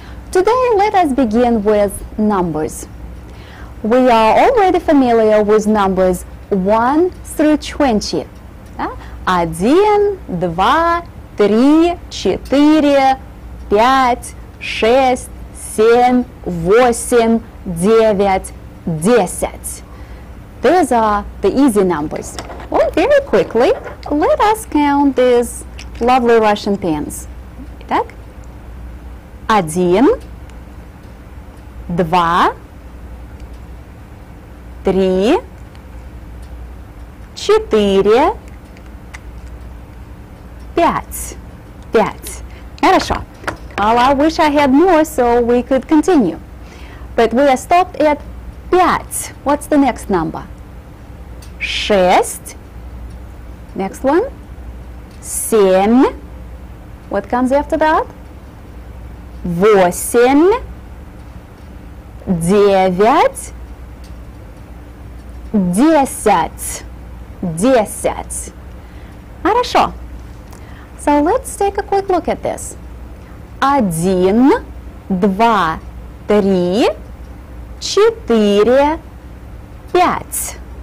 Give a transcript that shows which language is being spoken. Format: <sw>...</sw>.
<en>Today, let us begin with numbers. We are already familiar with numbers 1 through 20.</en> <ru>Один, два, три, четыре, пять, шесть, семь, восемь, девять, десять.</ru> <en>These are the easy numbers. Well, very quickly, let us count these lovely Russian pens.</en> <ru>Итак, один, два, три, четыре, пять. Пять. Хорошо.</ru> <en>Well, I wish I had more so we could continue. But we are stopped at пять. What's the next number?</en> <ru>Шесть.</ru> <en>Next one.</en> <ru>Семь.</ru> <en>What comes after that?</en> <ru>Восемь. Девять. Десять. Десять. Хорошо.</ru> <en>So let's take a quick look at this.</en> <ru>Один, два, три, четыре, пять.</ru>